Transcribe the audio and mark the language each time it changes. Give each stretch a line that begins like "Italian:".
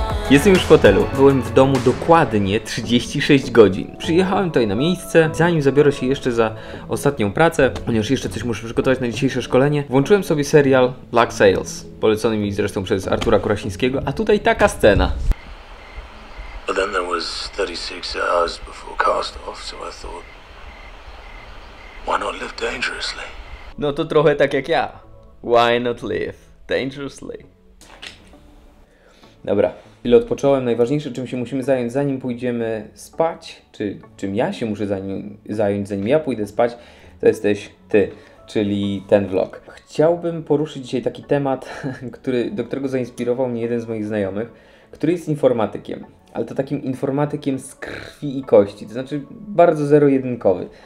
Polish: Jestem już w hotelu. Byłem w domu dokładnie 36 godzin. Przyjechałem tutaj na miejsce, zanim zabiorę się jeszcze za ostatnią pracę, ponieważ jeszcze coś muszę przygotować na dzisiejsze szkolenie, włączyłem sobie serial Black Sails, polecony mi zresztą przez Artura Kurasińskiego, a tutaj taka scena.
English: But then there was 36 hours before cast off, so I thought, why not live dangerously?
Polish: No to trochę tak jak ja.
English: Why not live dangerously?
Polish: Dobra. Ile odpocząłem, najważniejsze, czym się musimy zająć, zanim pójdziemy spać, czy czym ja się muszę zająć, zanim ja pójdę spać, to jesteś ty, czyli ten vlog. Chciałbym poruszyć dzisiaj taki temat, do którego zainspirował mnie jeden z moich znajomych, który jest informatykiem, ale to takim informatykiem z krwi i kości, to znaczy bardzo zero-jedynkowy.